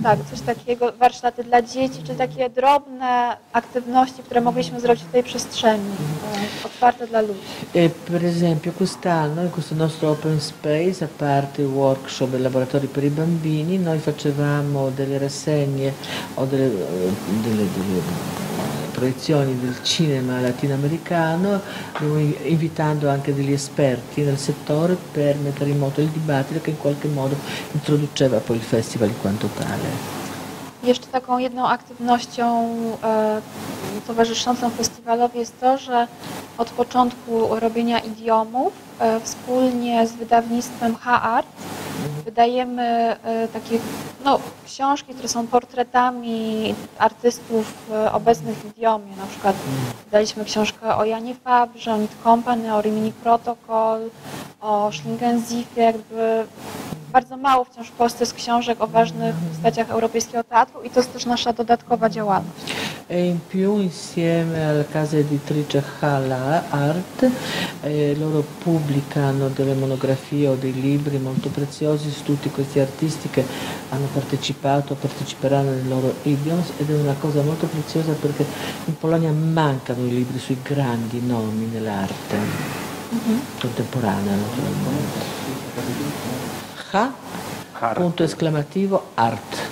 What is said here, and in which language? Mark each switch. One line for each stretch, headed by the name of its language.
Polish: Coś takiego, warsztaty dla dzieci, czy takie drobne aktywności, które mogliśmy zrobić w tej przestrzeni, otwarte dla ludzi.
Italian: E per esempio quest'anno in questo nostro open space, a parte workshop e laboratori per i bambini, noi facevamo delle rassegne o delle proiezioni del cinema latinoamericano, invitando anche degli esperti nel settore per mettere in moto il dibattito che in qualche modo introduceva poi il festival in quanto tale.
Polish: Jeszcze taką jedną aktywnością towarzyszącą festiwalowi jest to, że od początku robienia idiomów wspólnie z wydawnictwem H-Art wydajemy takie książki, które są portretami artystów obecnych w idiomie. Na przykład wydaliśmy książkę o Janie Fabrze, o Nit Company, o Rimini Protocol, o Schlingensiefie, jakby... Bardzo mało wciąż w Polsce jest książek o ważnych postaciach europejskiego teatru i to jest też nasza dodatkowa działalność.
Italian: E in più insieme alla casa editrice Hala Art loro pubblicano delle monografie o dei libri molto preziosi su tutti questi artisti che hanno partecipato o parteciperanno nei loro idioms, ed è una cosa molto preziosa perché in Polonia mancano i libri sui grandi nomi nell'arte contemporanea naturalmente. Punto esclamativo art.